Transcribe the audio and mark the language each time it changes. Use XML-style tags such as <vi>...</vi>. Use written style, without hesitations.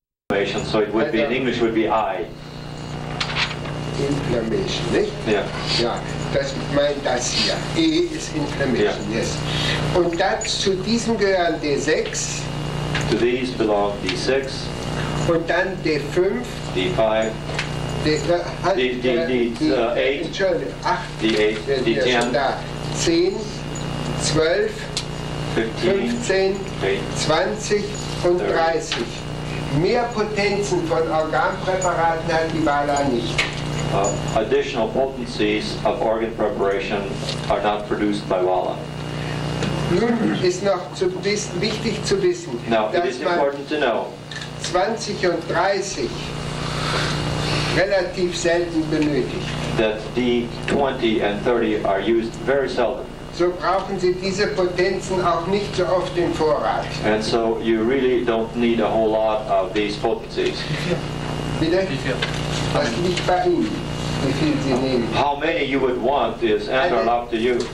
<en>information, so it would be, in English would be I.</en> <de>Inflammation, nicht?</de> <en>Yeah.</en> <de>Ja, das meint das hier. E ist Inflammation, yeah. Yes. Und das, zu diesem gehören D6.</de> <en>To these belong D6.</en> <de>Und dann D5.</de> <en>D5.</en> <de>D8, 10, 12, 15, 20 und 30. Mehr Potenzen von Organpräparaten hat die Wala nicht.</de> <en>Additional potencies of organ preparation are not produced by Wala.</en> <de>Nun ist noch zu wissen, wichtig zu wissen,</de> <en>now,</en> <de>dass man</de> <en>important to know.</en> <de>20 und 30 relativ selten benötigt.</de> <en>That D20 and 30 are used very seldom.</en> <de>So brauchen Sie diese Potenzen auch nicht so oft im Vorrat.</de> <en>And so you really don't need a whole lot of these potencies.</en> <de>Bitte? Das liegt bei Ihnen, wie viel Sie nehmen.</de> <en>How many you would want is entirely up to you.</en>